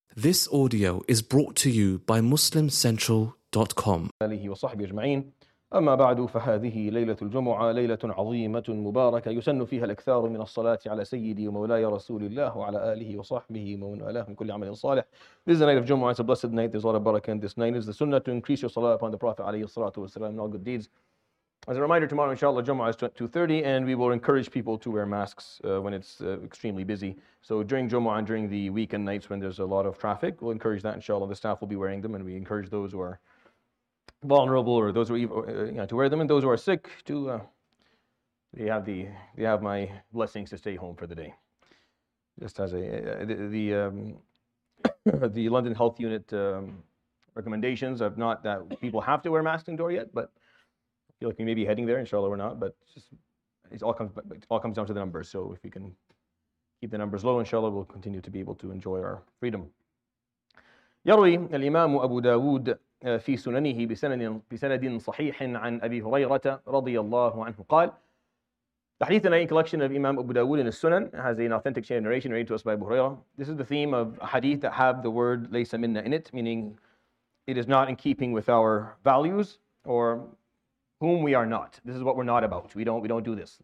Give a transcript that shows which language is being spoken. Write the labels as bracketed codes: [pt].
[en] This audio is brought to you by MuslimCentral.com. [ar] عليه وصحبه أجمعين. أما بعد فهذه ليلة الجمعة ليلة عظيمة مباركة يسن فيها الأكثار من الصلاة على سيدي ومولاي رسول الله وعلى آله وصحبه ومن والاه من كل عمل صالح. [en] This is the night of Jumu'ah. It's a blessed night. There's a lot of barakah in this night. It's the sunnah to increase your salah upon the Prophet [ar] عليه الصلاة والسلام [en] and all good deeds. As a reminder, tomorrow, inshallah, Jumu'ah is 2:30, and we will encourage people to wear masks when it's extremely busy. So during Jumu'ah and during the weekend nights when there's a lot of traffic, we'll encourage that, inshallah. The staff will be wearing them, and we encourage those who are vulnerable or those who are evil, to wear them, and those who are sick to they have my blessings to stay home for the day. Just as the London Health Unit recommendations of not that people have to wear masks indoor yet, but I feel like we may be heading there, inshallah we're not, but it all comes down to the numbers. So if we can keep the numbers low, inshallah we'll continue to be able to enjoy our freedom. [ar] يروي الإمام أبو داود في سننه بسند صحيح عن أبي هريرة رضي الله عنه قال. [en] The hadith in a collection of Imam Abu Dawood in his Sunan has an authentic chain of narration read to us by Abu Hurairah. This is the theme of a hadith that have the word laysa minna in it, meaning it is not in keeping with our values or whom we are not. This is what we're not about. We don't do this.